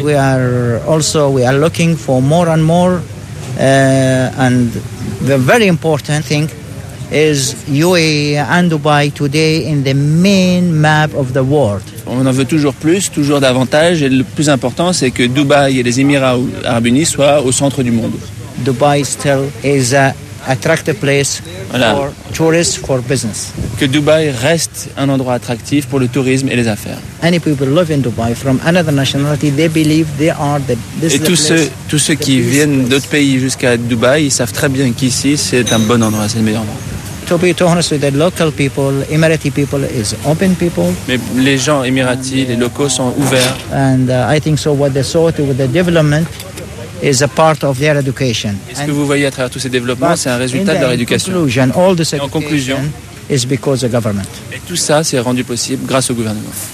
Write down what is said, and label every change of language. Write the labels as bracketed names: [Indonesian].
[English] We are also looking for more and more, and the very important thing is UAE and Dubai today in the main map of the world. [French] On en veut toujours plus, toujours davantage. Et le plus important, c'est que Dubaï et les Émirats Arabes Unis soient au centre du monde. [English] Dubai still is a attractive place voilà. For tourists, for business. [French] Que Dubaï reste un endroit attractif pour le tourisme et les affaires. [English] Any people live in Dubai from another nationality, they believe they are the. [French] This et tous ceux qui viennent d'autres pays jusqu'à Dubaï, ils savent très bien qu'ici c'est un bon endroit, c'est le meilleur endroit. [English] To be honest with the local people, Emirati people is open people. [French] Mais les gens émiratis, les locaux sont ouverts. [English] And I think so. What they saw with the development is a part of their education. [French] Ce que vous voyez à travers tous ces développements, c'est un résultat de leur éducation. [English] Conclusion, all this education [French] en conclusion, [English] is because of government. [French] Et tout ça, c'est rendu possible grâce au gouvernement.